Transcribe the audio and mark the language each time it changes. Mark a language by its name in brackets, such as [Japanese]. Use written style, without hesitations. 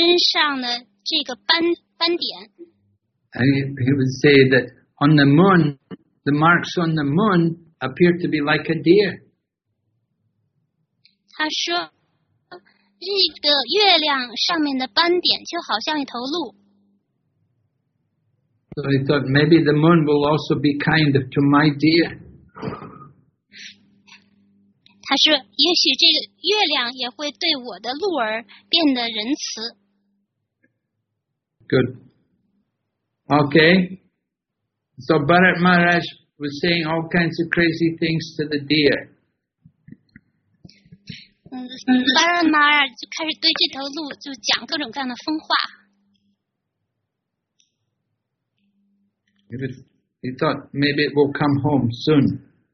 [Chinese] 他谈论这头鹿身上的这个斑点。 [English] And he would say that on the moon, the marks on the moon appear to be like a deer. [Chinese] 他说, 这个月亮上面的斑点就好像一头鹿。 [English] So he thought maybe the moon will also be kind to my deer. [Chinese] 他说也许这个月亮也会对我的鹿儿变得仁慈。 [English] Good. Okay. So Bharat Maharaj was saying all kinds of crazy things to the deer. [Chinese] Bharat Maharaj 就开始对这头鹿就讲各种各样的疯话。 [English] He thought maybe it will come home soon.